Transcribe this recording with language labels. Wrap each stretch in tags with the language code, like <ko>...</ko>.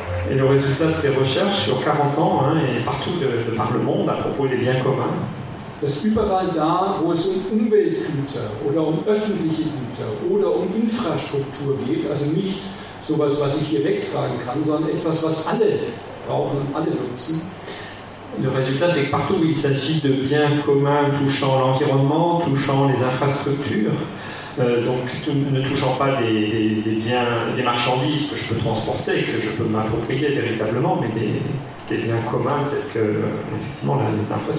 <fr>Et le résultat de ces recherches sur 40 ans, hein, et partout de par le monde, à propos des biens communs,</fr> <de>dass überall da, wo es um Umweltgüter oder um öffentliche Güter oder um Infrastruktur geht, also nicht sowas, was ich hier wegtragen kann, sondern etwas, was alle brauchen und alle nutzen.</de> <fr>Le résultat, c'est que partout où il s'agit de biens communs touchant l'environnement, touchant les infrastructures, donc ne touchant pas des biens, des marchandises que je peux transporter, que je peux m'approprier véritablement, mais des biens communs tels que, effectivement, les</fr>